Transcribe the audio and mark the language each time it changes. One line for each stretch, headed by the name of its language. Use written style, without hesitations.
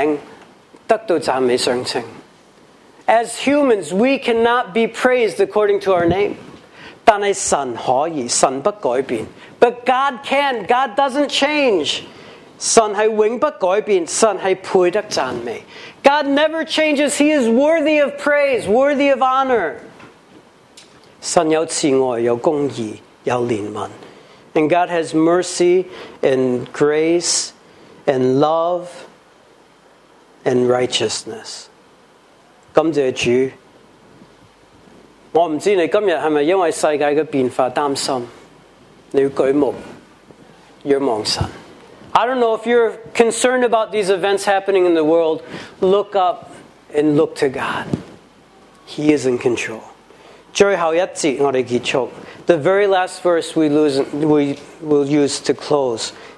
Chinese: 人就不是跟他的名得到赞美相称。
English: As humans, we cannot be praised according to our name.
Chinese: 但是神可以，神不改变。
English: But God can, God doesn't change.
Chinese: 神是永不改变，神是配得赞美。
English: God never changes. He is worthy of praise, worthy of honor.
Chinese: 神有慈爱，有公义，有怜悯。
English: And God has mercy and grace and love and righteousness.
Chinese: 感谢主。我不知道你今天是不是因为世界的变化担心，你要举目仰望神。
English: I don't know if you're concerned about these events happening in the world. Look up and look to God. He is in control.
Chinese: 最后一节我们结束,
English: the very last verse we will use to close.